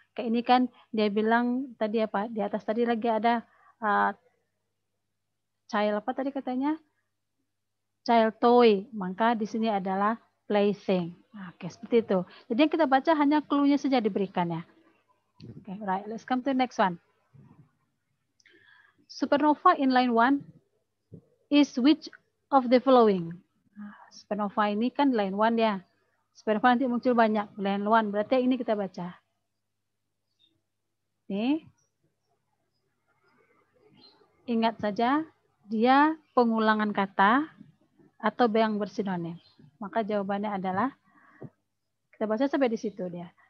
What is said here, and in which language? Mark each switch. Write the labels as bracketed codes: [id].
[id] Kayak ini kan dia bilang tadi apa? Di atas tadi lagi ada child apa tadi katanya? Child toy. Maka di sini adalah plaything. Nah, oke, seperti itu. Jadi yang kita baca hanya clue-nya saja diberikan ya. [en] Oke, okay, right. Let's come to the next one. Supernova in line 1 is which of the following? [id] Supernova ini kan line 1 ya. Supernova nanti muncul banyak. Line 1 berarti ini kita baca. Nih. Ingat saja dia pengulangan kata atau yang bersinonim. Maka jawabannya adalah kita baca sampai di situ dia.